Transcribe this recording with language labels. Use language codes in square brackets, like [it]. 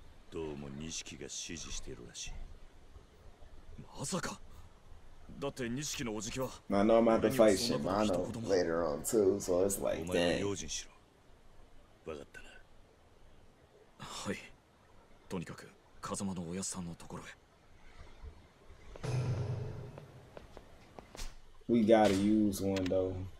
[ja] どうも錦が支持しているらしい。まさか。だって錦のおじきは。 [en] I know I'm about to fight Shimano later on too, so it's like, dang. [ja] お前は用心しろ。わかったな。はい。とにかく風間のおやさんのところへ。 [en] We gotta use one though.